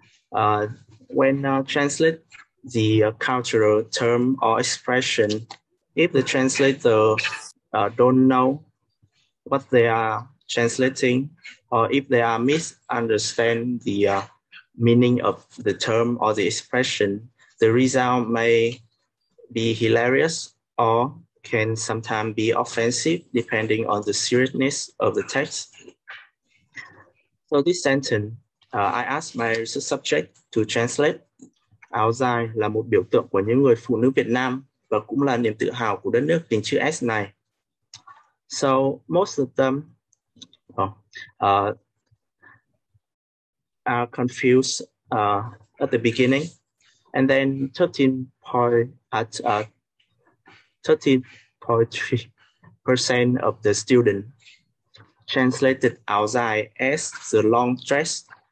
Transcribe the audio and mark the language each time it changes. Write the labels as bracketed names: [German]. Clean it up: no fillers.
[English] When translate the cultural term or expression, if the translator don't know what they are translating, or if they are misunderstand the meaning of the term or the expression, the result may be hilarious or can sometimes be offensive depending on the seriousness of the text. So this sentence, I asked my research subject to translate. [Vietnamese] Áo dài là một biểu tượng của những người phụ nữ Việt Nam và cũng là niềm tự hào của đất nước hình chữ S này. So most of them [English] confused at the beginning, and then 13.3% of the student translated outside as the long dress.